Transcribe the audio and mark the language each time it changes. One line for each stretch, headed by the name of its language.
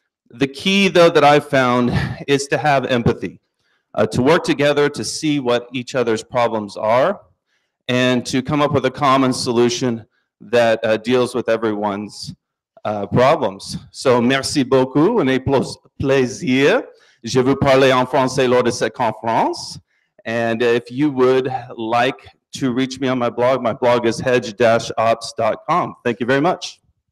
English: The key, though, that I've found is to have empathy, to work together, to see what each other's problems are, and to come up with a common solution that deals with everyone's problems.
French: So, merci beaucoup, un plaisir. Je vous parlais en français lors de cette conférence.
English: And if you would like to reach me on my blog is hedge-ops.com. Thank you very much.